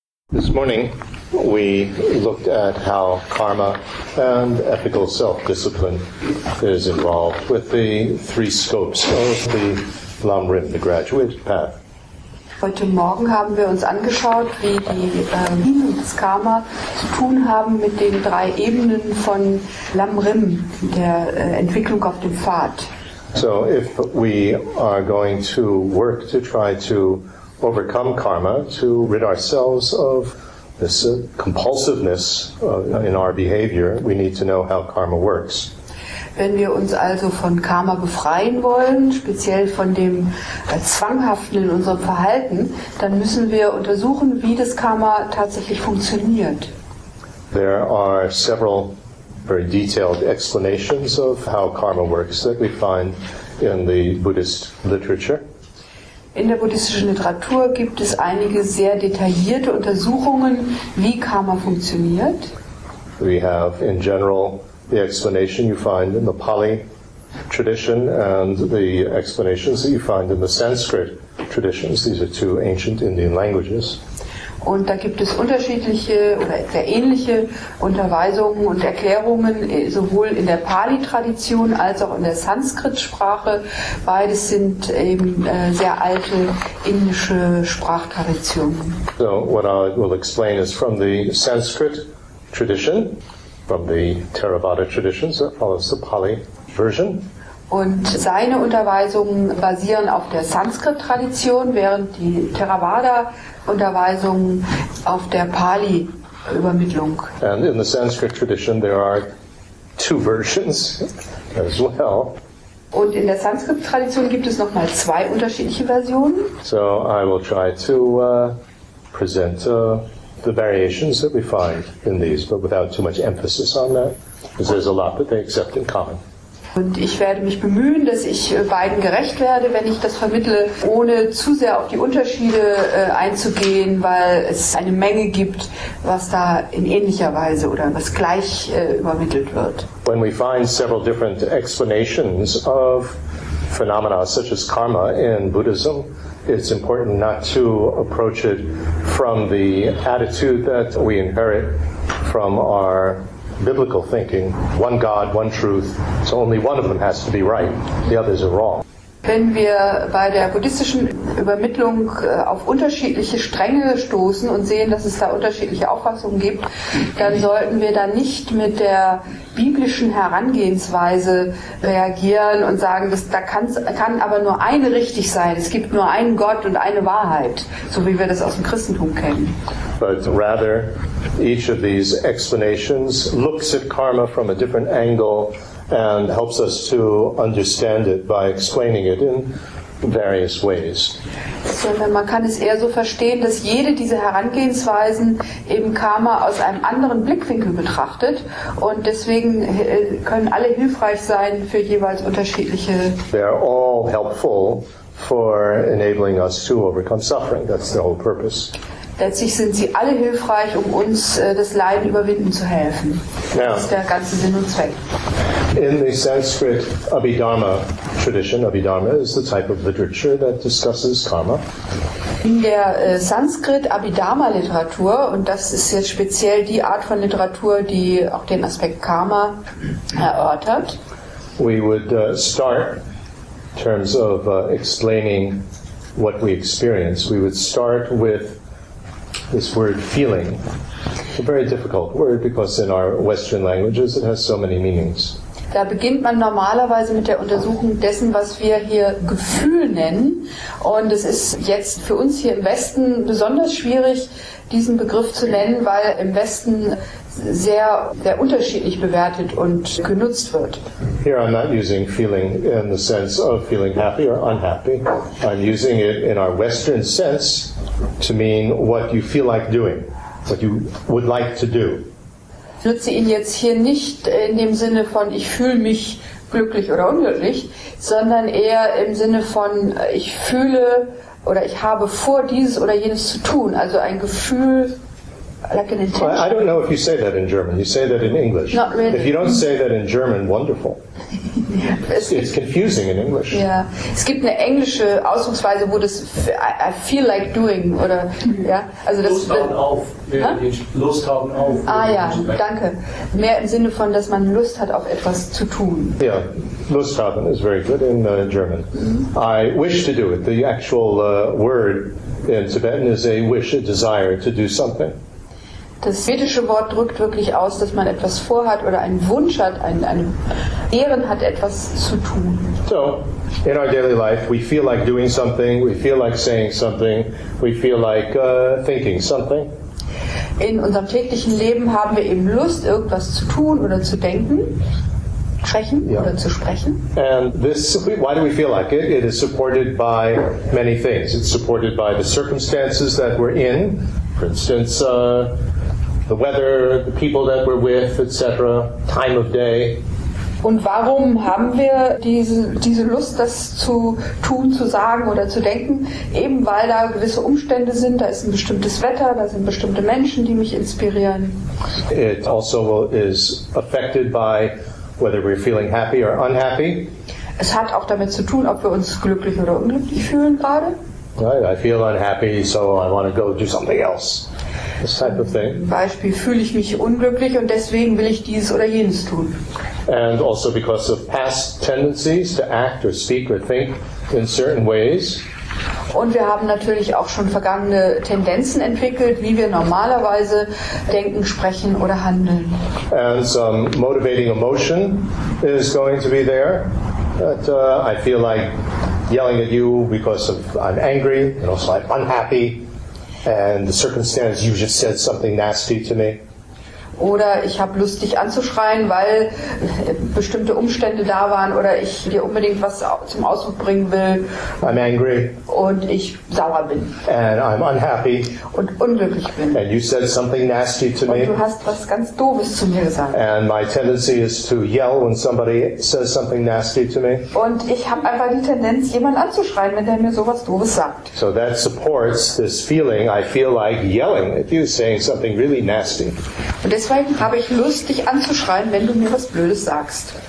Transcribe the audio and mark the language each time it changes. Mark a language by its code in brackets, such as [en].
[en] This morning, we looked at how karma and ethical self-discipline is involved with the three scopes of the Lam Rim, the graduate path. [de] Heute Morgen haben wir uns angeschaut, wie die Ebenen des Karma zu tun haben mit den drei Ebenen von Lam Rim, der Entwicklung auf dem Pfad. [en] So if we are going to work to try to overcome karma, to rid ourselves of this compulsiveness in our behavior, we need to know how karma works. [de] Wenn wir uns also von Karma befreien wollen, speziell von dem Zwanghaften in unserem Verhalten, dann müssen wir untersuchen, wie das Karma tatsächlich funktioniert. [en] There are several very detailed explanations of how karma works that we find in the Buddhist literature. [de] In der buddhistischen Literatur gibt es einige sehr detaillierte Untersuchungen, wie Karma funktioniert. [en] We have in general the explanation you find in the Pali tradition and the explanations that you find in the Sanskrit traditions. These are two ancient Indian languages. [de] Und da gibt es unterschiedliche oder sehr ähnliche Unterweisungen und Erklärungen sowohl in der Pali-Tradition als auch in der Sanskrit-Sprache. Beides sind eben sehr alte indische Sprachtraditionen. [en] So, what I will explain is from the Sanskrit tradition, from the Theravada tradition, so follows the Pali version. [de] Und seine Unterweisungen basieren auf der Sanskrit-Tradition, während die Theravada-Unterweisungen auf der Pali-Übermittlung. [en] And in the Sanskrit-Tradition there are two versions as well. [de] Und in der Sanskrit-Tradition gibt es nochmal zwei unterschiedliche Versionen. [en] So I will try to present the variations that we find in these, but without too much emphasis on that, because there's a lot that they accept in common. [de] Und ich werde mich bemühen, dass ich beiden gerecht werde, wenn ich das vermittle, ohne zu sehr auf die Unterschiede einzugehen, weil es eine Menge gibt, was da in ähnlicher Weise oder was gleich übermittelt wird. [en] When we find several different explanations of phenomena such as karma in Buddhism, it's important not to approach it from the attitude that we inherit from our biblical thinking, one God, one truth, so only one of them has to be right, the others are wrong. [de] Wenn wir bei der buddhistischen Übermittlung auf unterschiedliche Stränge stoßen und sehen, dass es da unterschiedliche Auffassungen gibt, dann sollten wir da nicht mit der biblischen Herangehensweise reagieren und sagen, dass da kann aber nur eine richtig sein, es gibt nur einen Gott und eine Wahrheit, so wie wir das aus dem Christentum kennen. [en] But rather, each of these explanations looks at karma from a different angle and helps us to understand it by explaining it in various ways. [de] Sondern man kann es eher so verstehen, dass jede dieser Herangehensweisen eben Karma aus einem anderen Blickwinkel betrachtet und deswegen können alle hilfreich sein für jeweils unterschiedliche. [en] They are all helpful for enabling us to overcome suffering. That's the whole purpose. [de] Letztlich sind sie alle hilfreich, um uns das Leiden überwinden zu helfen. Now, das ist der ganze Sinn und Zweck. [en] In the Sanskrit Abhidharma tradition, Abhidharma is the type of literature that discusses karma. [de] In der Sanskrit Abhidharma Literatur, und das ist jetzt speziell die Art von Literatur, die auch den Aspekt Karma erörtert. [en] We would start in terms of explaining what we experience. We would start with this word feeling, a very difficult word because in our Western languages it has so many meanings. [de] Da beginnt man normalerweise mit der Untersuchung dessen, was wir hier Gefühl nennen. Und es ist jetzt für uns hier im Westen besonders schwierig, diesen Begriff zu nennen, weil im Westen sehr, sehr unterschiedlich bewertet und genutzt wird. [en] Here I'm not using feeling in the sense of feeling happy or unhappy. I'm using it in our Western sense to mean what you feel like doing, what you would like to do. [de] Ich nutze ihn jetzt hier nicht in dem Sinne von ich fühle mich glücklich oder unglücklich, sondern eher im Sinne von ich fühle oder ich habe vor, dieses oder jenes zu tun, also ein Gefühl. [en] like an intention. I don't know if you say that in German. You say that in English. Not really. If you don't say that in German, wonderful. It's confusing in English. Yeah. [de] Es gibt eine englische Ausdrucksweise, wo das [en] I feel like doing [de] oder ja, also das Lust haben auf. Ja? Lust haben auf. Ah ja, danke. Mehr im Sinne von, dass man Lust hat auf etwas zu tun. [en] Yeah. [de] Lust haben [en] is very good in German. Mm-hmm. I wish to do it. The actual word in Tibetan is a wish, a desire to do something. [de] Das tibetische Wort drückt wirklich aus, dass man etwas vorhat oder einen Wunsch hat, einen Ehren hat, etwas zu tun. [en] So, in our daily life, we feel like doing something, we feel like saying something, we feel like thinking something. [de] In unserem täglichen Leben haben wir eben Lust, irgendwas zu tun oder zu denken, sprechen yeah. oder zu sprechen. [en] And this, why do we feel like it? It is supported by many things. It's supported by the circumstances that we're in. For instance, the weather, the people that we're with, etc., time of day. [de] Und warum haben wir diese Lust, das zu tun, zu sagen oder zu denken? Eben weil da gewisse Umstände sind, da ist ein bestimmtes Wetter, da sind bestimmte Menschen, die mich inspirieren. [en] It also is affected by whether we're feeling happy or unhappy. [de] Es hat auch damit zu tun, ob wir uns glücklich oder unglücklich fühlen gerade. [en] I feel unhappy, so I want to go do something else. This type of thing. [de] Beispiel, fühle ich mich unglücklich und deswegen will ich dieses oder jenes tun. [en] And also because of past tendencies to act or speak or think in certain ways. [de] Und wir haben natürlich auch schon vergangene Tendenzen entwickelt, wie wir normalerweise denken, sprechen oder handeln. [en] And some motivating emotion is going to be there. But I feel like yelling at you because of I'm angry and also I'm unhappy and the circumstance you just said something nasty to me. [de] Oder ich habe Lust, dich anzuschreien, weil bestimmte Umstände da waren oder ich dir unbedingt was zum Ausdruck bringen will. [en] I'm angry. [de] Und ich sauer bin. [en] And I'm unhappy. [de] Und unglücklich bin. [en] And you said something nasty to me. [de] Und du hast was ganz Doofes zu mir gesagt. [en] And my tendency is to yell when somebody says something nasty to me. [de] Und ich habe einfach die Tendenz, jemanden anzuschreien, wenn der mir sowas Doofes sagt. [en] So that supports this feeling, I feel like yelling at you, saying something really nasty. [de] Deswegen habe ich Lust, dich anzuschreien, wenn du mir was Blödes sagst.